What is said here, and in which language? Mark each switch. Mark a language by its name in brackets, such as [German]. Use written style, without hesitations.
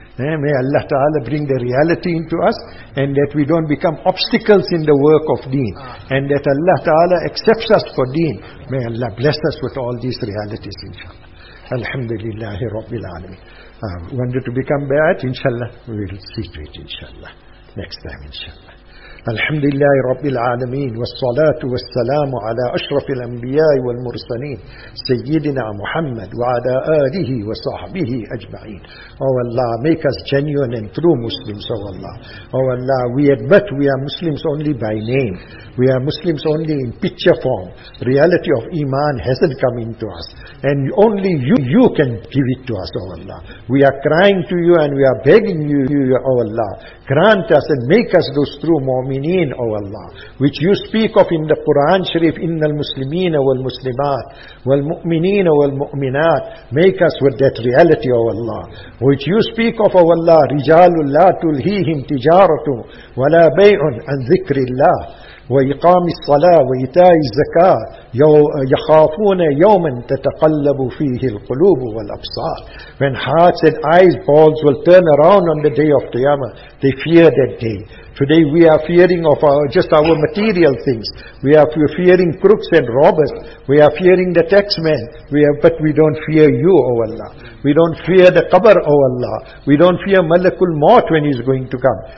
[English] May Allah Ta'ala bring the reality into us and that we don't become obstacles in the work of deen. And that Allah Ta'ala accepts us for deen. May Allah bless us with all these realities, inshallah. Alhamdulillahi Rabbil Alameen. Wanted to become bad, inshallah. We will see to it, inshallah. Next time, inshallah. [Arabic] الحمد لله رب العالمين والصلاة والسلام على أشرف الأنبياء والمرسلين سيدنا محمد وعلى آله وصحبه أجمعين. [English] Oh Allah, make us genuine and true Muslims, oh Allah. Oh Allah, we admit we are Muslims only by name. We are Muslims only in picture form. Reality of Iman hasn't come into us. And only you can give it to us, oh Allah. We are crying to you and we are begging you, oh Allah. Grant us and make us those true mu'mineen, oh Allah. Which you speak of in the Quran Sharif, [Arabic] inna al-muslimeen wal-muslimat, wal-mu'mineen wal-mu'minat. [English] Make us with that reality, oh Allah. Which you speak of, oh Allah, [Arabic] رجال لا تلهيهم تجارة ولا بيع عن ذكر الله. وإقام الصلاة وإيتاء الزكاة يخافون يوما تتقلب فيه القلوب والأبصار. [English] When hearts and eyes balls will turn around on the day of Qiyamah, they fear that day. Today we are fearing of our material things. We are fearing crooks and robbers. We are fearing the taxman. But we don't fear you, O Allah. We don't fear the qabr, O Allah. We don't fear Malakul Maut when he's going to come.